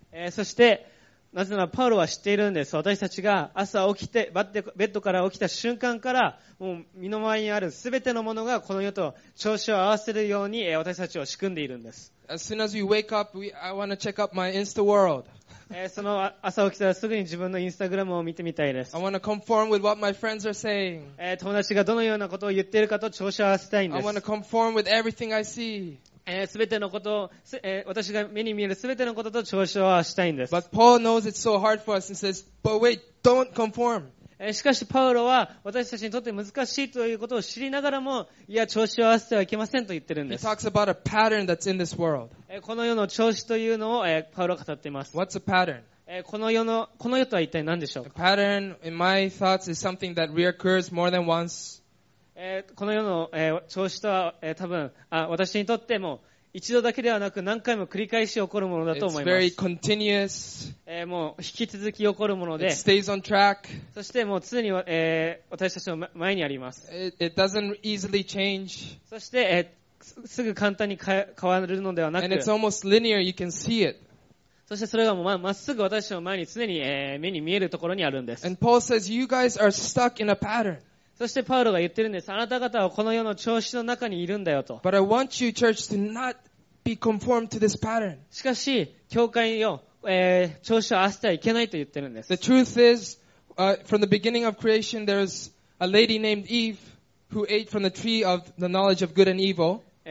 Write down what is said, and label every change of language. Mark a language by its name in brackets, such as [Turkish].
[Japanese] そして、なぜならパウロは知っているんです。私たちが朝起きて、ベッドから起きた瞬間から、もう身の回りにあるすべてのものがこの世と調子を合わせるように、私たちを仕組んでいるんです。 [English] As soon as we wake up, I want to check up my Insta world. [Japanese] その朝起きたらすぐに自分のインスタグラムを見てみたいです。 [English] I want to conform with what my friends are saying. [Japanese] 友達がどのようなことを言っているかと調子を合わせたいんです。 [English] I want to conform with everything I see. [Japanese] すべてのことを、私が目に見えるすべてのことと調子を合わせたいんです。 [English] But Paul knows it's so hard for us and says, but wait, don't conform. [Japanese] しかしパウロは私たちにとって難しいということを知りながらもいや調子を合わせてはいけませんと言ってるんです。 [English] He talks about a pattern that's in this world. [Japanese] この世の調子というのをパウロは語っています。 [English] What's a pattern? [Japanese] この世とは一体何でしょうか? [English] A pattern in my thoughts is something that reoccurs more than once. [Japanese] この世の調子とは多分私にとっても一度だけではなく何回も繰り返し起こるものだと思います。 [English] It's very continuous. [Japanese] もう引き続き起こるもので。 [English] It stays on track. [Japanese] そしてもう常に、私たちの前にあります。 [English] It doesn't easily change. [Japanese] そして、すぐ簡単に変わるのではなく。 [English] And it's almost linear. You can see it. [Japanese] そしてそれがもうまっすぐ私の前に常に目に見えるところにあるんです。 [English] And Paul says, you guys are stuck in a pattern. [Japanese] そしてパウロが言ってるんです。あなた方はこの世の調子の中にいるんだよと。 [English] But I want you, church, to not be conformed to this pattern. [Japanese] しかし、教会よ、調子を合わせてはいけないと言ってるんです。 [English] The truth is, from the beginning of creation, there's a lady named Eve who ate from the tree of the knowledge of good and evil.